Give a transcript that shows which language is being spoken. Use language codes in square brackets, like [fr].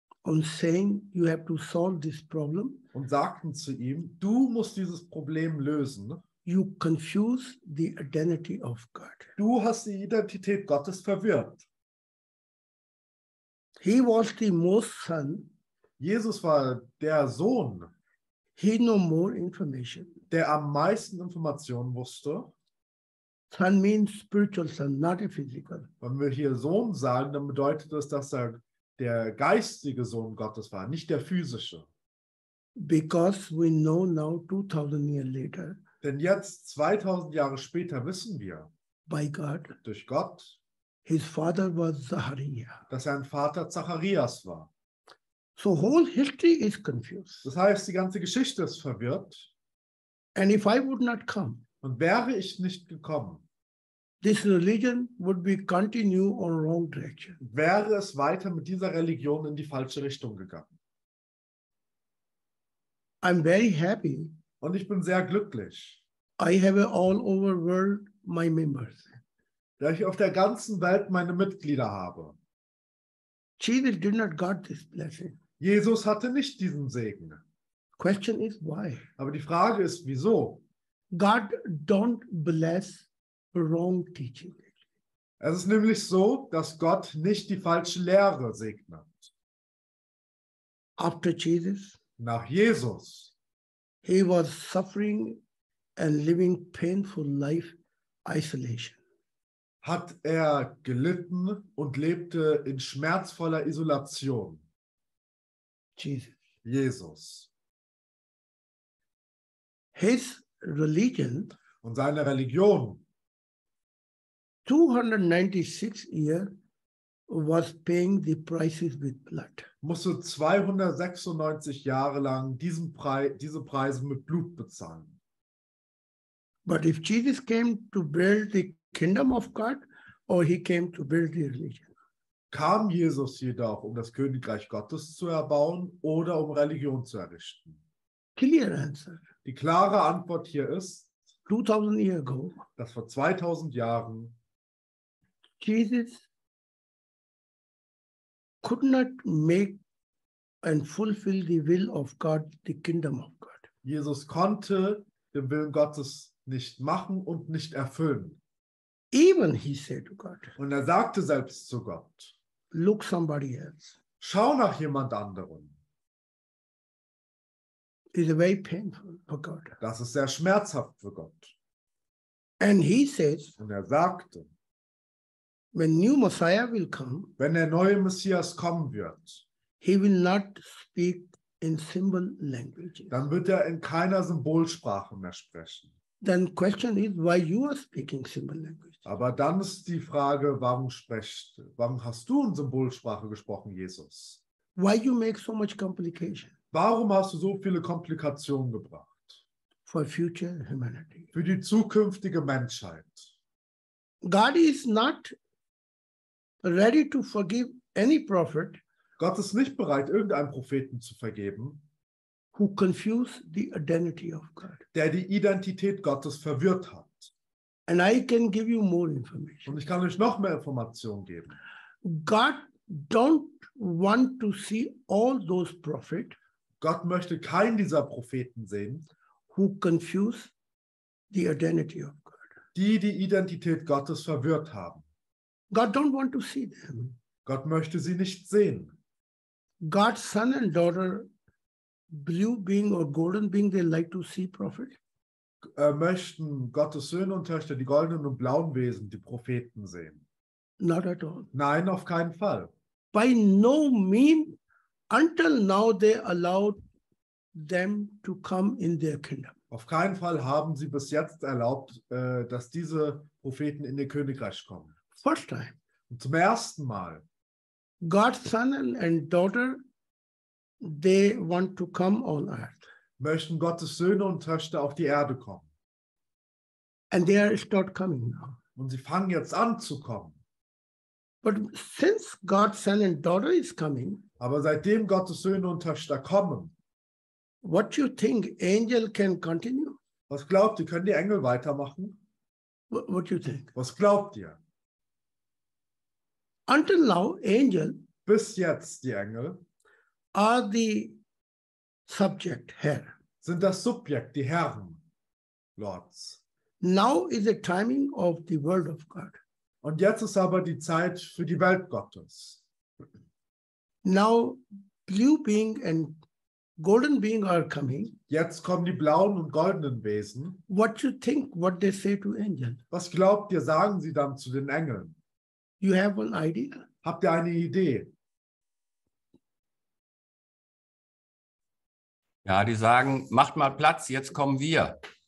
[en] And saying you have to solve this problem. [de] Und sagten zu ihm, du musst dieses Problem lösen. [en] You confuse the identity of God. [de] Du hast die Identität Gottes verwirrt. [en] He was the most son. [de] Jesus war der Sohn. [en] He knew more information. [de] Der am meisten Informationen wusste. [en] Son means spiritual son, not a physical. [de] Wenn wir hier Sohn sagen, dann bedeutet das, dass er der geistige Sohn Gottes war, nicht der physische. [en] Because we know now 2000 years later. [de] Denn jetzt 2000 Jahre später wissen wir. [en] By God. [de] Durch Gott. [en] His father was Zachariah. [de] Dass sein Vater Zacharias war. [en] So whole history is confused. [de] Das heißt, die ganze Geschichte ist verwirrt. [en] And if I would not come. [de] Und wäre ich nicht gekommen. [en] This religion would be continue on wrong direction. [de] Wäre es weiter mit dieser Religion in die falsche Richtung gegangen. [en] I'm very happy. [de] Und ich bin sehr glücklich. [en] I have all over world my members. [de] Da ich auf der ganzen Welt meine Mitglieder habe. [en] Jesus did not got this blessing. [de] Jesus hatte nicht diesen Segen. [en] Question is why? [de] Aber die Frage ist, wieso? [en] God don't bless wrong teaching. [de] Es ist nämlich so, dass Gott nicht die falsche Lehre segnet. [en] After Jesus, [de] nach Jesus, [en] he was suffering and living painful life isolation. [de] Hat er gelitten und lebte in schmerzvoller Isolation. [en] Jesus. His religion [de] und seine Religion [en] 296 years was paying the prices with blood. [de] Musste 296 Jahre lang diese Preise mit Blut bezahlen. [en] But if Jesus came to build the kingdom of God, or he came to build the religion. [de] Kam Jesus jedoch, um das Königreich Gottes zu erbauen oder um Religion zu errichten? [en] Clear answer. [de] Die klare Antwort hier ist, [en] 2000 years ago, [de] dass vor 2000 Jahren [en] Jesus could not make and fulfill the will of God, the kingdom of God. [de] Jesus konnte den Willen Gottes nicht machen und nicht erfüllen. [en] Even he said to God. [de] Und er sagte selbst zu Gott. [en] Look somebody else. [de] Schau nach jemand anderem. [en] It's very painful for God. [de] Das ist sehr schmerzhaft für Gott. [en] And he says. [de] Und er sagte. [en] When new Messiah will come. [de] Wenn der neue Messias kommen wird. [en] He will not speak in symbol languages. [de] Dann wird er in keiner Symbolsprache mehr sprechen. [en] Then question is why you are speaking symbol language. [de] Aber dann ist die Frage, warum hast du in Symbolsprache gesprochen, Jesus? [en] Why you make so much complication? [de] Warum hast du so viele Komplikationen gebracht? [en] For future humanity. [de] Für die zukünftige Menschheit. [en] God is not ready to forgive any prophet. [de] Gott ist nicht bereit, irgendeinen Propheten zu vergeben. [en] Who confused the identity of God. [de] Der die Identität Gottes verwirrt hat. [en] And I can give you more information. [de] Und ich kann euch noch mehr Informationen geben. [en] God don't want to see all those prophets. [de] Gott möchte keinen dieser Propheten sehen. [en] Who confused the identity of God. [de] Die Identität Gottes verwirrt haben. [en] God don't want to see them. [de] Gott möchte sie nicht sehen. [en] God's son and daughter. Blue being or golden being, they like to see prophet. [de] Möchten Gottes Söhne und Töchter die goldenen und blauen Wesen, die Propheten sehen? [en] Not at all. [de] Nein, auf keinen Fall. [en] By no means, until now they allowed them to come in their kingdom. [de] Auf keinen Fall haben sie bis jetzt erlaubt, dass diese Propheten in ihr Königreich kommen. [en] First time. [de] Und zum ersten Mal. [en] God's son and daughter. They want to come on earth. [de] Möchten Gottes Söhne und Töchter auf die Erde kommen. [en] And they are start coming now. [de] Und sie fangen jetzt an zu kommen. [en] But since God's son and daughter is coming, [de] aber seitdem Gottes Söhne und Töchter kommen, [en] what you think angel can continue? [de] Was glaubt ihr, können die Engel weitermachen? [en] What you think? [de] Was glaubt ihr? [en] Until now, angel, [de] bis jetzt die Engel, [en] are the subject here. [de] Sind das Subjekt, die Herren, Lords. [en] Now is the timing of the world of God. [de] Und jetzt ist aber die Zeit für die Welt Gottes. [en] Now, blue being and golden being are coming. [de] Jetzt kommen die blauen und goldenen Wesen. [en] What you think, what they say to angels? [de] Was glaubt ihr, sagen sie dann zu den Engeln? [en] You have an idea? [de] Habt ihr eine Idee? Ja, die sagen, macht mal Platz, jetzt kommen wir.